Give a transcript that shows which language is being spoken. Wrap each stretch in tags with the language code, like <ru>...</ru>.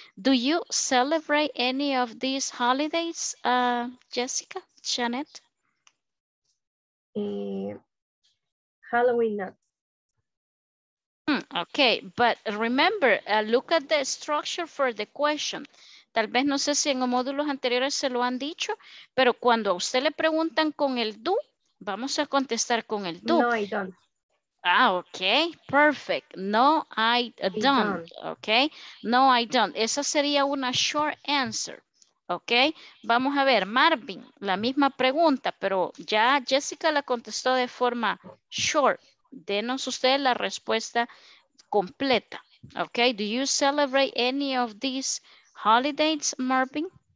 <en>Do you celebrate any of these holidays, Jessica, Janet? Halloween, not. Okay, but remember, look at the structure for the question.</en> <es>Tal vez no sé si en módulos anteriores se lo han dicho, pero cuando a usted le preguntan con el do, vamos a contestar con el do.</es> <en>No, I don't. Ah, okay, perfect. No, I don't. Okay, no, I don't.</en> <es>Esa sería una</es> <en>short answer.</en> <es>Okay, vamos a ver, Marvin, la misma pregunta, pero ya Jessica la contestó de forma short. Denos usted la respuesta completa.</es> <en>Okay, do you celebrate any of these holidays, Marvin?</en>